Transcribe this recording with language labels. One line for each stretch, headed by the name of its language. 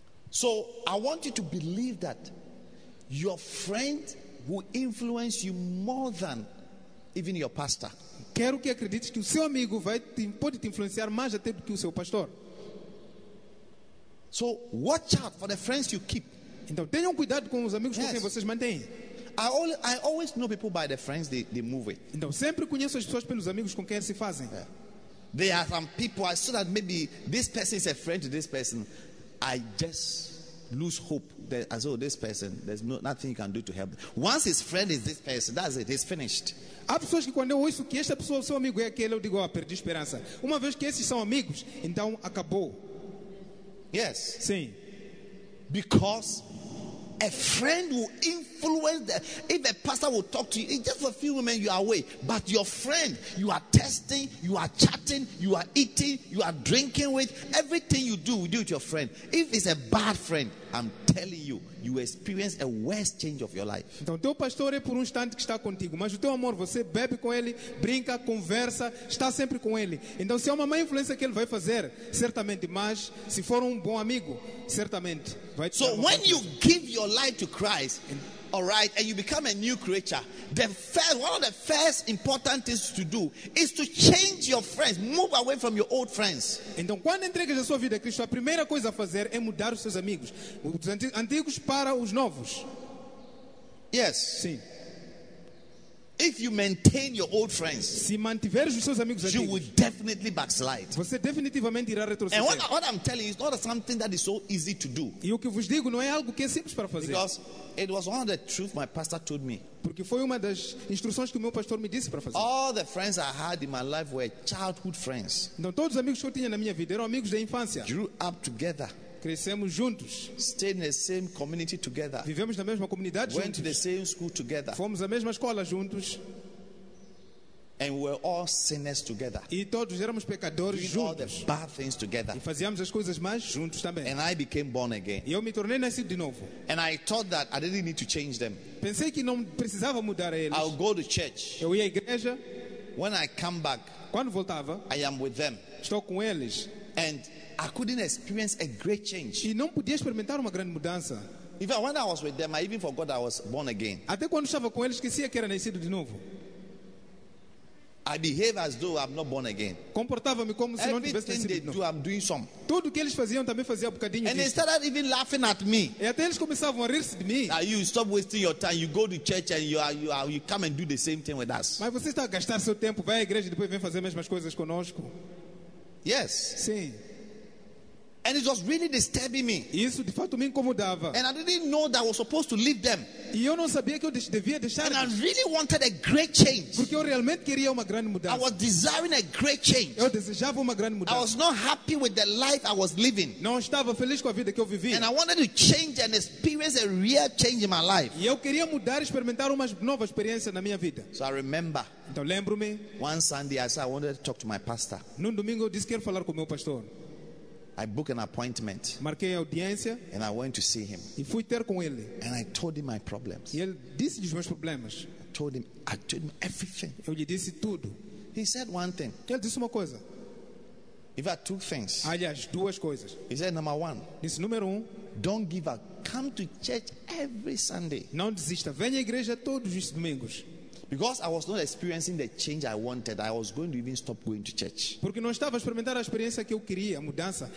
English: So I want you to believe that your friend will influence you more than even your pastor.
Portuguese: Quero que acredites que o seu amigo pode te influenciar mais até do que o seu pastor.
English: So watch out for the friends you keep.
Portuguese: Então tenham cuidado com os amigos,
English: yes,
Portuguese: com quem vocês mantêm.
English: I always know people by the friends they move with.
Portuguese: Então sempre conheço as pessoas pelos amigos com quem se fazem.
English: Yeah. There are some people I saw that maybe this person is a friend to this person. I just lose hope that as this person, there's nothing you can do to help. Once his friend is this person, that's it, he's finished.
Portuguese: Há pessoas que quando eu ouço que esta pessoa, seu amigo é aquele, eu digo, ah, perdi esperança. Uma vez que esses são amigos, então acabou.
English: Yes.
Portuguese: Sim.
English: Because a friend will influence them. If a pastor will talk to you, it's just for a few moments you are away. But your friend, you are testing, you are chatting, you are eating, you are drinking with. Everything you do with your friend. If it's a bad friend, I'm telling you, you experience a worse change of your life.
Portuguese: Então, teu pastor é por instante que está contigo, mas o teu amor, você bebe com ele, brinca, conversa, está sempre com ele. Então, se é uma má influência que ele vai fazer, certamente, mas se for bom amigo, certamente vai te
English: So, when you give your life to Christ, all right, and you become a new creature, one of the first important things to do is to change your friends, move away from your old friends.
Portuguese: Então, quando entregas a sua vida a Cristo, a primeira coisa a fazer é mudar os seus amigos, os antigos para os novos.
English: Yes.
Portuguese: Sim.
English: If you maintain your old friends,
Portuguese: se mantiveres os seus amigos antigos,
English: you will definitely backslide.
Portuguese: Você definitivamente irá retroceder.
English: And what I'm telling you is not something that is so easy to do.
Portuguese: E o que vos digo não é algo que é simples para fazer.
English: Because it was one of the truths my pastor told me.
Portuguese: Porque foi uma das instruções que o meu pastor me disse para fazer.
English: All the friends I had in my life were childhood friends.
Portuguese: Então todos os amigos que eu tinha na minha vida eram amigos da infância.
English: Grew up together.
Portuguese: Crescemos juntos.
English: Stayed in the same community together.
Portuguese: Vivemos na mesma comunidade
English: Went
Portuguese: juntos.
English: To the same school together.
Portuguese: Fomos à mesma escola juntos.
English: And we were all sinners together.
Portuguese: E todos éramos pecadores
English: Doing
Portuguese: juntos.
English: All the bad things together.
Portuguese: E fazíamos as coisas más juntos também.
English: And I became born again.
Portuguese: E eu me tornei nascido de novo.
English: And I thought that I didn't need to change them.
Portuguese: Pensei que não precisava mudar eles.
English: I'll go to church.
Portuguese: Eu ia à igreja.
English: When I come back,
Portuguese: quando voltava,
English: I am with them.
Portuguese: Estou com eles.
English: And I couldn't experience a great change.
Portuguese: E não podia experimentar uma grande mudança.
English: Even when I was with them, I even forgot I was born again.
Portuguese: Até quando estava com eles, esquecia que era nascido de novo.
English: I behave as though I'm not born again.
Portuguese: Comportava-me como se
English: everything
Portuguese: não tivesse nascido
English: they
Portuguese: de novo.
English: Do, I'm doing some.
Portuguese: Tudo que eles faziam também fazia um bocadinho
English: and
Portuguese: disso.
English: And they started even laughing at me.
Portuguese: E até eles começavam a rir-se de mim.
English: Now you stop wasting your time. You go to church and you come and do the same thing with us.
Portuguese: Mas você está a gastar seu tempo, vai à igreja e depois vem fazer as mesmas coisas conosco.
English: Yes.
Portuguese: Sim.
English: And it was really disturbing me.
Portuguese: Isso de fato me incomodava.
English: And I didn't know that I was supposed to leave them.
Portuguese: E eu não sabia que eu devia deixar.
English: And I really wanted a great change.
Portuguese: Porque eu realmente queria uma grande mudança.
English: I was desiring a great change.
Portuguese: Eu desejava uma grande mudança.
English: I was not happy with the life I was living.
Portuguese: Não estava feliz com a vida que eu vivia.
English: And I wanted to change and experience a real change in my life.
Portuguese: E eu queria mudar e experimentar uma nova experiência na minha vida.
English: So I remember.
Portuguese: Então lembro-me.
English: One Sunday I said I wanted to talk to my pastor.
Portuguese: Num domingo eu disse quero falar com meu pastor.
English: I booked an appointment.
Portuguese: Marquei audiência.
English: And I went to see him.
Portuguese: E fui ter com ele.
English: And I told him my problems.
Portuguese: E ele disse os meus problemas.
English: I told him everything.
Portuguese: Eu lhe disse tudo.
English: He said one thing.
Portuguese: Ele disse uma coisa.
English: If I had two things.
Portuguese: Aliás, duas coisas.
English: He said number one.
Portuguese: Disse número um.
English: Don't give up. Come to church every Sunday.
Portuguese: Não desista. Venha à igreja todos os domingos.
English: Because I was not experiencing the change I wanted, I was going to even stop going to church.
Portuguese: Porque não estava a experimentar a experiência que eu queria, a mudança.